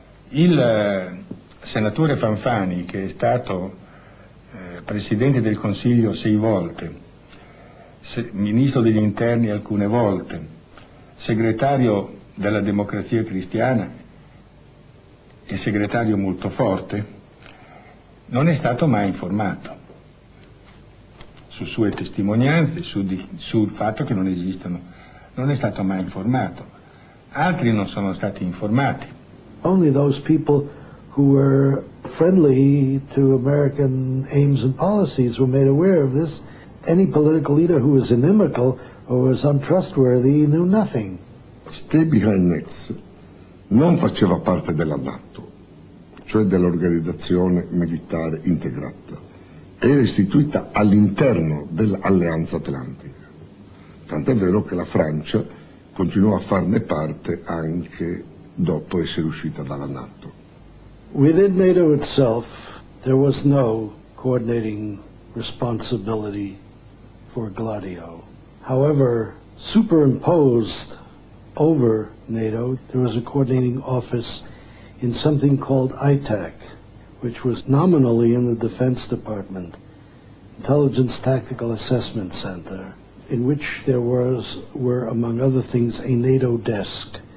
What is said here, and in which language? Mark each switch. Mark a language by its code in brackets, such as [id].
[it] Il senatore Fanfani, che è stato presidente del Consiglio 6 volte, ministro degli interni alcune volte, segretario della Democrazia Cristiana e segretario molto forte, non è stato mai informato su sue testimonianze, sul fatto che non esistono, non è stato mai informato. Altri non sono stati informati. [en] Only those people who were friendly to American aims and policies were made aware of this. Any political leader who was inimical or was untrustworthy knew nothing. [it] Stebbins non faceva parte della NATO, cioè dell'organizzazione militare integrata. Era istituita all'interno dell'Alleanza Atlantica. Tant'è vero che la Francia continuò a farne parte anche dopo essere uscita dalla NATO. [en] Within NATO itself, there was no coordinating responsibility for Gladio. However, superimposed over NATO, there was a coordinating office in something called ITAC, which was nominally in the Defense Department, Intelligence Tactical Assessment Center, in which there were, among other things, a NATO desk.